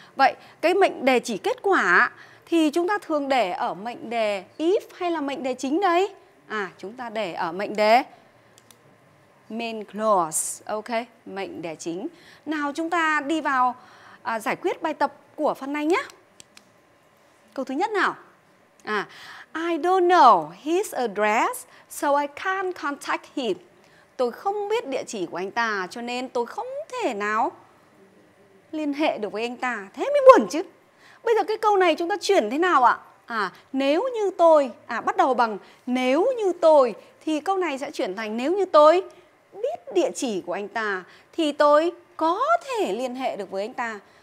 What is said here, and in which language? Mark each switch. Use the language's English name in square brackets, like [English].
[Vietnamese] Vậy, cái mệnh đề chỉ kết quả thì chúng ta thường để ở mệnh đề if hay là mệnh đề chính đây? À, chúng ta để ở mệnh đề main clause, ok, mệnh đề chính. Nào, chúng ta đi vào giải quyết bài tập của phần này nhé. Câu thứ nhất nào. [English] I don't know his address, so I can't contact him. [Vietnamese] Tôi không biết địa chỉ của anh ta, cho nên tôi không thể nào liên hệ được với anh ta. Thế mới buồn chứ. Bây giờ cái câu này chúng ta chuyển thế nào ạ? Nếu như tôi, bắt đầu bằng nếu như tôi, thì câu này sẽ chuyển thành nếu như tôi biết địa chỉ của anh ta, thì tôi có thể liên hệ được với anh ta.